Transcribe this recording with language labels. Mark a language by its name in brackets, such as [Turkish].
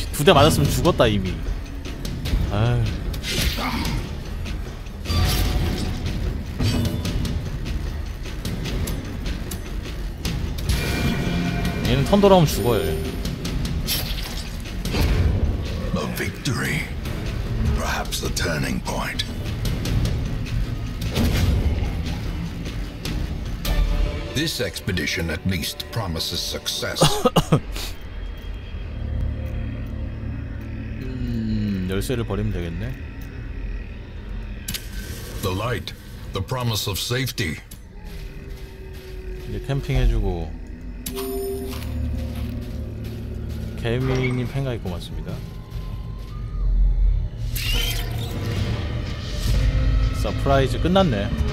[Korean] 두 대 맞았으면 죽었다, 이미. 아유. 얘는 턴 돌아오면 죽어요, 얘. [English] Victory. Perhaps the turning point. This expedition at least promises success. [Korean] 열쇠를 버리면 되겠네. [English] The light, the promise of safety. [Korean] 이제 캠핑 해주고 개미님 팬가 있고 맞습니다. 서프라이즈 끝났네.